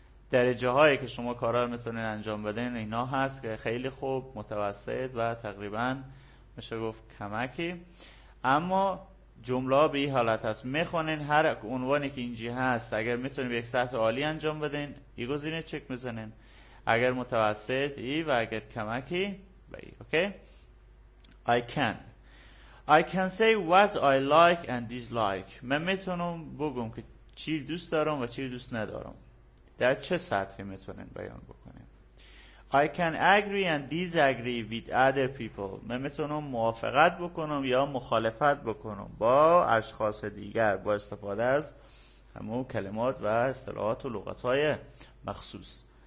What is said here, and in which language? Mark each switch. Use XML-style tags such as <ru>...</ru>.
<fa>درجه هایی که شما کارا رو میتونین انجام بدین اینا هست که خیلی خوب، متوسط و تقریبا میشه گفت کمکی. اما جمله به این حالت هست، میخونین هر عنوانی که اینجی هست، اگر میتونین به یک سطح عالی انجام بدین ای گزینه چک میزنین، اگر متوسط ای و اگر کمکی به ای.</fa> <en>Okay? I can say what I like and dislike.</en> <fa>من میتونم بگم که چی دوست دارم و چی دوست ندارم. در چه سطحی میتونین بیان بکنین؟</fa> <en>I can agree and disagree with other people.</en> <fa>من میتونم موافقت بکنم یا مخالفت بکنم با اشخاص دیگر با استفاده از همو کلمات و اصطلاحات و لغتهای مخصوص.</fa>